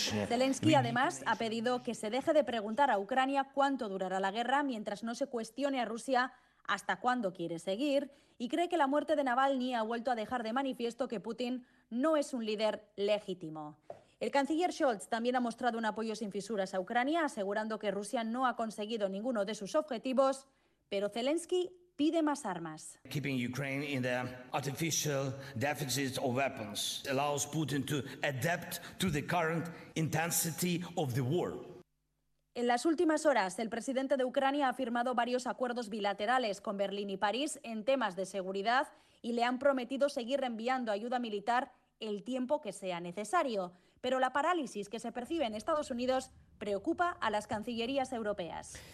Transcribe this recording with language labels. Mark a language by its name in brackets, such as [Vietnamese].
[Spanish] Zelensky además ha pedido que se deje de preguntar a Ucrania cuánto durará la guerra mientras no se cuestione a Rusia hasta cuándo quiere seguir, y cree que la muerte de Navalny ha vuelto a dejar de manifiesto que Putin no es un líder legítimo. El canciller Scholz también ha mostrado un apoyo sin fisuras a Ucrania, asegurando que Rusia no ha conseguido ninguno de sus objetivos, pero Zelensky pide más armas. [English] Keeping Ukraine in the artificial deficit of weapons allows Putin to adapt to the current intensity of the war. [Spanish] En las últimas horas, el presidente de Ucrania ha firmado varios acuerdos bilaterales con Berlín y París en temas de seguridad y le han prometido seguir enviando ayuda militar el tiempo que sea necesario. Pero la parálisis que se percibe en Estados Unidos preocupa a las cancillerías europeas.